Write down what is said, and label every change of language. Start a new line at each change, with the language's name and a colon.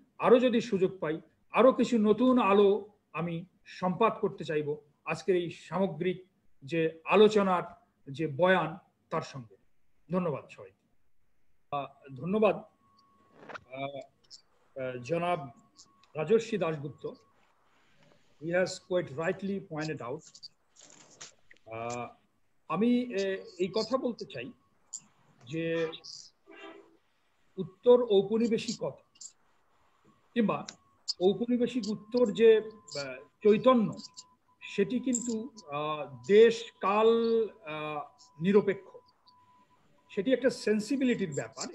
Bangla: আরো যদি সুযোগ পাই, আরো কিছু নতুন আলো আমি সম্পাদ করতে চাইব আজকের এই সামগ্রিক যে আলোচনার যে বয়ান তার সঙ্গে। ধন্যবাদ সবাই, ধন্যবাদ জনাব রাজর্ষি Dasgupta.
English: He has quite rightly pointed out.
Bangla: আমি এই কথা বলতে চাই যে উত্তর ঔপনিবেশিক কিংবা ঔপনিবেশিক উত্তর যে চৈতন্য, সেটি কিন্তু দেশ কাল নিরপেক্ষ, সেটি একটা সেন্সিবিলিটির ব্যাপার।